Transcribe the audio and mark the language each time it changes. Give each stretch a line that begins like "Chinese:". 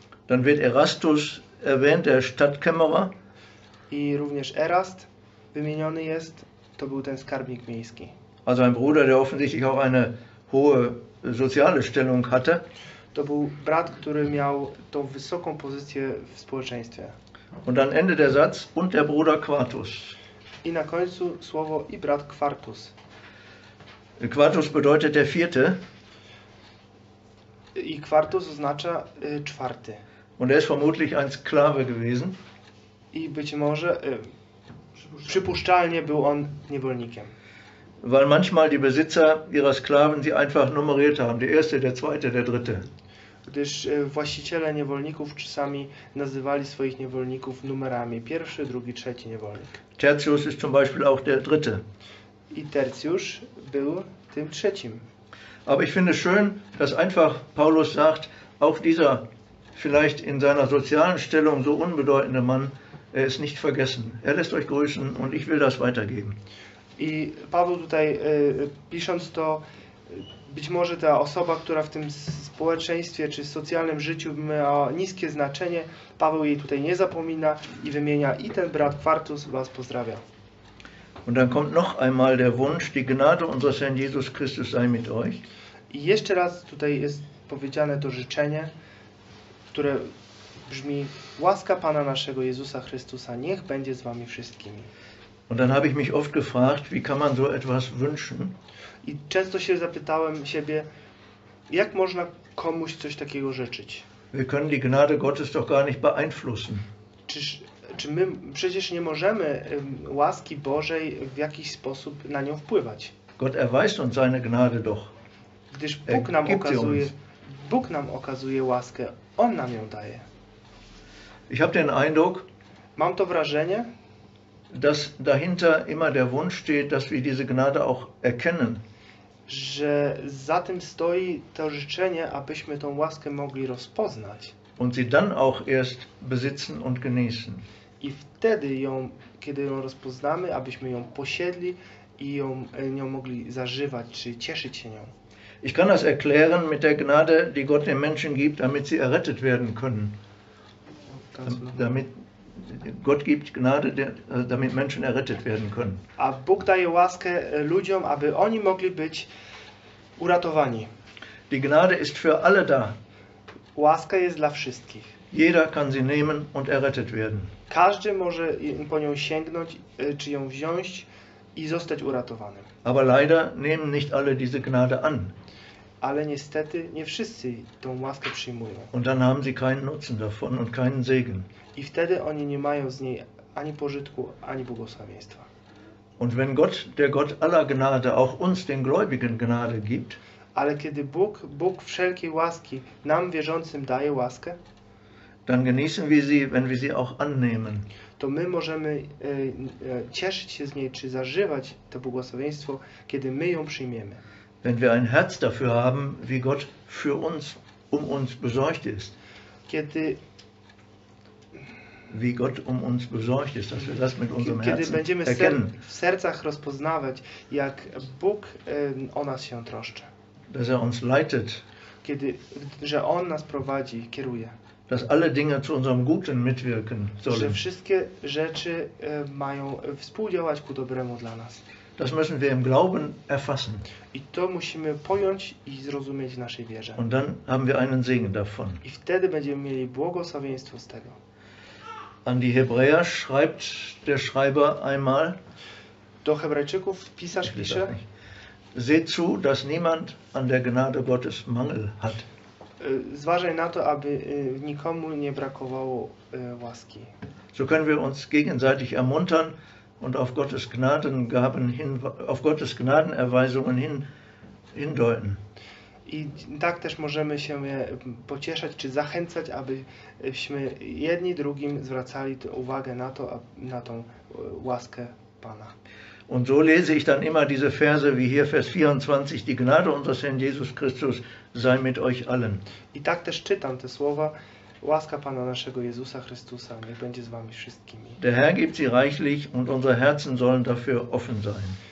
German: Dann wird Erastus erwähnt, der Stadtkämmerer.
Polish: I również Erast wymieniony jest, to był ten skarbnik miejski.
German: Also ein Bruder, der offensichtlich auch eine hohe soziale Stellung hatte.
Polish: To był brat, który miał tą wysoką pozycję w społeczeństwie.
German: Und dann Ende der Satz, und der Bruder Quartus.
Polish: I na końcu słowo i brat Quartus.
German: Quartus bedeutet der vierte.
Polish: I Quartus oznacza czwarty.
German: Und er ist vermutlich ein Sklave gewesen.
Polish: I być może przypuszczalnie był on niewolnikiem.
German: Weil manchmal die Besitzer ihrer Sklaven sie einfach nummeriert haben. Der erste, der zweite, der dritte.
Polish: Gdyż właściciele niewolników czasami nazywali swoich niewolników numerami. Pierwszy, drugi, trzeci niewolnik.
German: Tertius ist zum Beispiel auch der dritte.
Polish: I Tertius był tym trzecim.
German: Aber ich finde schön, dass einfach Paulus sagt, auch dieser vielleicht in seiner sozialen Stellung so unbedeutende Mann, er ist nicht vergessen. Er lässt euch grüßen und ich will das weitergeben.
Polish: I Paweł tutaj pisząc to, być może ta osoba, która w tym społeczeństwie czy socjalnym życiu ma niskie znaczenie, Paweł jej tutaj nie zapomina i wymienia i ten brat Quartus was pozdrawia.
German: Und dann kommt noch einmal der Wunsch, die Gnade unseres Herrn Jesus Christus sei mit euch.
Polish: I jeszcze raz tutaj jest powiedziane to życzenie, które brzmi: łaska Pana naszego Jezusa Chrystusa niech będzie z wami wszystkimi.
German: Und dann habe ich mich oft gefragt, wie kann man so etwas wünschen?
Polish: I często się zapytałem siebie, jak można komuś coś takiego życzyć?
German: Wir können die Gnade Gottes doch gar nicht beeinflussen.
Polish: Czy my przecież nie możemy łaski Bożej w jakiś sposób na nią wpływać?
German: Gott erweist uns seine Gnade doch.
Polish: Gdyż Bóg nam okazuje, Bóg nam okazuje łaskę, on nam ją daje.
German: Ich habe den Eindruck,
Polish: mam to wrażenie,
German: dass dahinter immer der Wunsch steht, dass wir diese Gnade auch erkennen.
Polish: że za tym stoi to życzenie, abyśmy tą łaskę mogli rozpoznać.
German: Und sie dann auch erst besitzen und genießen.
Polish: I wtedy ją, kiedy ją rozpoznamy, abyśmy ją posiedli i ją nią mogli zażywać, czy cieszyć się nią.
German: Ich kann das erklären mit der Gnade, die Gott den Menschen gibt, damit sie errettet werden können. Damit Gott gibt Gnade, damit Menschen errettet werden können.
Polish: A Bóg daje łaskę ludziom, aby oni mogli być uratowani.
German: Die Gnade ist für alle da.
Polish: Łaska jest dla wszystkich.
German: Jeder kann sie nehmen und errettet werden.
Polish: Każdy może po nią sięgnąć, czy ją wziąć i zostać uratowany.
German: Aber leider nehmen nicht alle diese Gnade an.
Polish: Ale niestety nie wszyscy tą łaskę przyjmują.
German: Und dann haben sie keinen Nutzen davon und keinen Segen.
Polish: I wtedy oni nie mają z niej ani pożytku, ani błogosławieństwa.
German: Und wenn Gott, der Gott aller Gnade, auch uns den Gläubigen Gnade gibt,
Polish: ale kiedy Bóg, Bóg wszelkiej łaski, nam wierzącym daje łaskę,
German: dann genießen wir sie, wenn wir sie auch annehmen.
Polish: To my możemy cieszyć się z niej, czy zażywać to błogosławieństwo, kiedy my ją przyjmiemy.
German: Wenn wir ein Herz dafür haben, wie Gott für uns, um uns besorgt ist.
Polish: Kiedy
German: wie Gott um uns besorgt ist, dass wir das mit unserem
Polish: kiedy
German: Herzen
Polish: będziemy
German: erkennen.
Polish: W sercach rozpoznawać, jak Bóg o nas się troszczy.
German: Dass er uns leitet.
Polish: Kiedy, że On nas prowadzi, kieruje.
German: Dass alle Dinge zu unserem Guten mitwirken sollen.
Polish: Że wszystkie rzeczy mają współdziałać ku dobremu dla nas.
German: Das müssen wir im Glauben erfassen.
Polish: I to musimy pojąć i zrozumieć w naszej wierze.
German: Und dann haben wir einen Segen davon.
Polish: I wtedy będziemy mieli błogosławieństwo z tego.
German: An die Hebräer schreibt der Schreiber einmal.
Polish: Do Hebrajczyków pisarz pisze.
German: Seht zu, dass niemand an der Gnade Gottes Mangel hat.
Polish: Zważaj na to, aby nikomu nie brakowało łaski.
German: So können wir uns gegenseitig ermuntern und auf Gottes Gnadengaben hin, auf Gottes Gnadenerweisungen hindeuten.
Polish: I tak też możemy się pocieszać czy zachęcać, abyśmy jedni drugim zwracali uwagę na to, na tą łaskę Pana.
German: Und so lese ich dann immer diese Verse, wie hier Vers 24, die Gnade unseres Herrn Jesus Christus sei mit euch allen.
Polish: I tak też czytam te słowa, łaska Pana naszego Jezusa Chrystusa, niech będzie z wami wszystkimi.
German: Der Herr gibt sie reichlich und unsere Herzen sollen dafür offen sein.